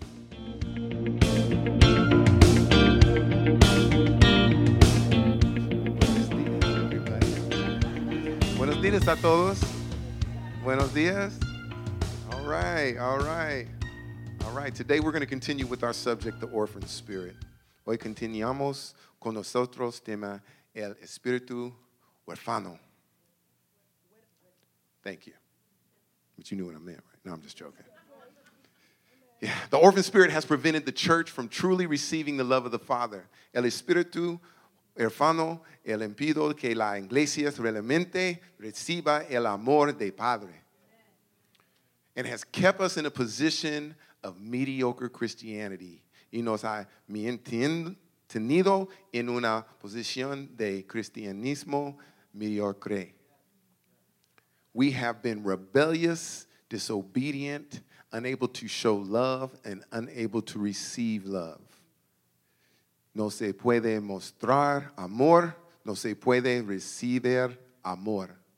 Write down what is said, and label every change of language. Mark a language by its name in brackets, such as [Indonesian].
[Spanish] Buenos días a todos. Buenos días. [English] All right. Today we're going to continue with our subject, The Orphan Spirit. [Spanish] Hoy continuamos con nosotros tema el espíritu huérfano. [English] Thank you. But you knew what I meant, right? No, I'm just joking. Yeah, the orphan spirit has prevented the church from truly receiving the love of the Father. [Spanish] El espíritu huérfano el impide que la iglesia realmente reciba el amor de Padre. [English] And has kept us in a position of mediocre Christianity. [Spanish] Y nos ha mantenido en una posición de cristianismo mediocre. [English] We have been rebellious, disobedient, unable to show love, and unable to receive love. [Spanish] No se puede mostrar amor, no se puede recibir amor.